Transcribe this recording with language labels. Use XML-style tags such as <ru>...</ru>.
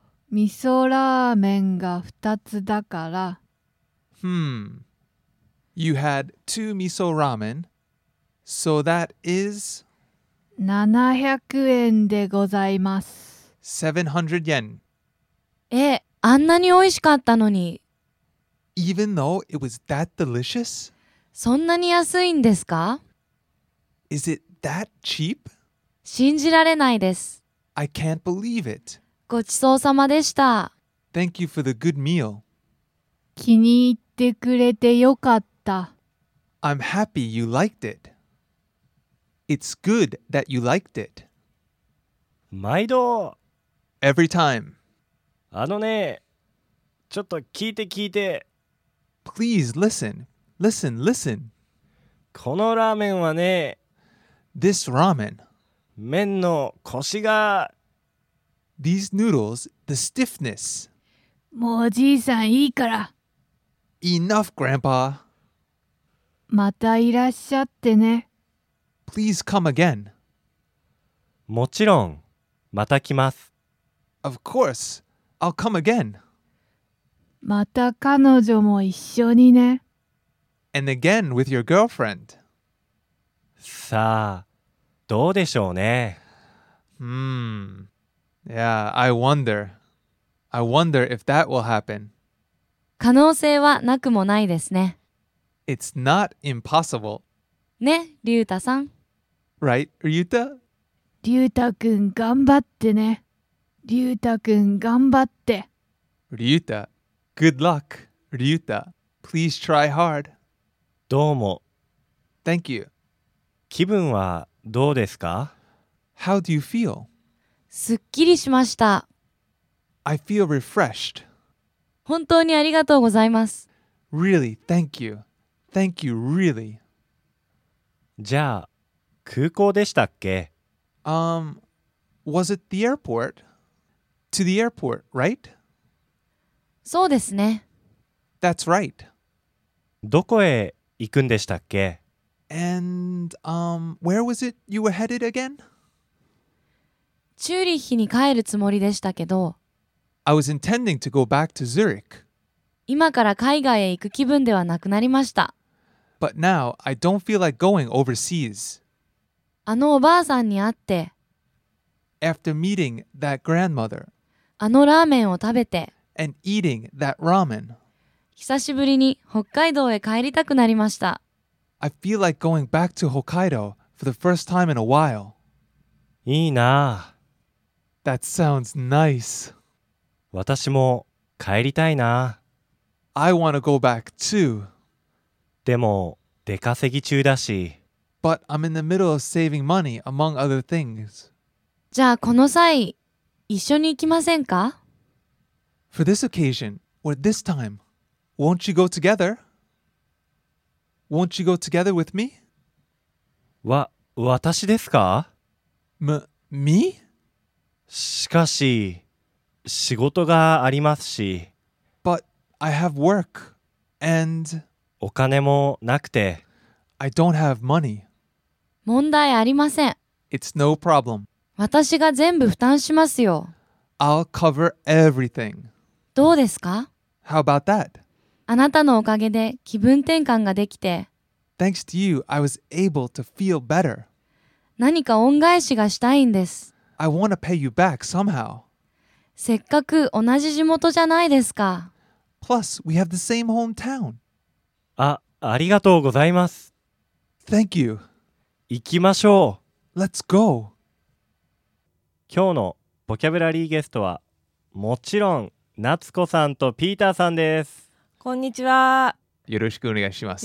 <ja>味噌ラーメンが2つだから。</ja> <en>You had 2 miso ramen, so that is</en> <ja>700円でございます。</ja> <en>700 yen.</en> <ja>あんなに美味しかったのに。</ja> <en>Even though it was that delicious?</en> <ja>そんなに安いんですか？</ja> <en>Is it that cheap?</en> <ja>信じられないです。</ja> <en>I can't believe it.</en> <ja>ごちそうさまでした。</ja> <en>Thank you for the good meal.</en> <ja>気に入ってくれてよかった。</ja> <en>I'm happy you liked it. It's good that you liked it.</en> <ja>毎度。</ja> <en>Every time.</en> <ja>あのね、ちょっと聞いて聞いて。</ja> <en>Please listen. Listen, listen.</en> <ja>このラーメンはね。</ja> <en>This ramen.</en> <ja>麺のコシが。</ja> <en>These noodles, the stiffness.</en> <ja>もうおじいさんいいから。</ja> <en>Enough, Grandpa.</en> <ja>またいらっしゃってね。</ja> <en>Please come again.</en> <ja>もちろん、また来ます。</ja> <en>Of course, I'll come again.</en> <ja>また彼女も一緒にね。</ja> <en>And again with your girlfriend.</en> <ja>さあ、どうでしょうね。</ja> <en>Yeah, I wonder. I wonder if that will happen.</en> <ja>可能性はなくもないですね。</ja> <en>It's not impossible.</en> <ja>ね、リュータさん。</ja> <en>Right, Ryuta?</en> <ja>リュータくん頑張ってね。リュータくん頑張って。</ja> <en>リュータ、good luck, リュータ。 Please try hard.</en> <ja>どうも。</ja> <en>Thank you.</en> <ja>気分はどうですか?</ja> <en>How do you feel?</en> <ja>すっきりしました。</ja> <en>I feel refreshed.</en> <ja>本当にありがとうございます。</ja> <en>Really, thank you. Thank you, really.</en> <ja>じゃあ、空港でしたっけ?</ja> <en>Was it the airport? To the airport, right?</en> <ja>そうですね。</ja> <en>That's right.</en> <ja>どこへ行くんでしたっけ?</ja> <en>And, where was it you were headed again?</en> <ja>チューリッヒに帰るつもりでしたけど。</ja> <en>I was intending to go back to Zurich.</en> <ja>今から海外へ行く気分ではなくなりました。</ja> <en>But now, I don't feel like going overseas.</en> <ja>あのおばあさんに会って。</ja> <en>After meeting that grandmother.</en> <ja>あのラーメンを食べて</ja> <en>And eating that ramen.</en> <ja>久しぶりに北海道へ帰りたくなりました</ja> <en>I feel like going back to Hokkaido for the first time in a while</en> <ja>いいな</ja> <en>That sounds nice</en> <ja>私も帰りたいな</ja> <en>I want to go back too</en> <ja>でも出稼ぎ中だし</ja> <en>But I'm in the middle of saving money among other things</en> <ja>じゃあこの際一緒に行きませんか?</ja> <en>For this occasion, or this time, won't you go together? Won't you go together with me?</en> <ja>わ、私ですか?</ja> <en>Me?</en> <ja>しかし、仕事がありますし。</ja> <en>But I have work, and...</en> <ja>お金もなくて。</ja> <en>I don't have money.</en> <ja>問題ありません。</ja> <en>It's no problem.</en> <ja>私が全部負担しますよ。</ja> <en>I'll cover everything.</en> <ja>どうですか?</ja> <en>How about that?</en> <ja>あなたのおかげで気分転換ができて。</ja> <en>Thanks to you, I was able to feel better.</en> <ja>何か恩返しがしたいんです。</ja> <en>I want to pay you back somehow.</en> <ja>せっかく同じ地元じゃないですか。</ja> <en>Plus, we have the same hometown.</en> <ja>あ、ありがとうございます。</ja> <en>Thank you.</en> <ja>行きましょう。</ja> <en>Let's go.</en> <ja>今日のボキャブラリーゲストはもちろん夏子さんとピーターさんですこんにちはよろしくお願いします</ja>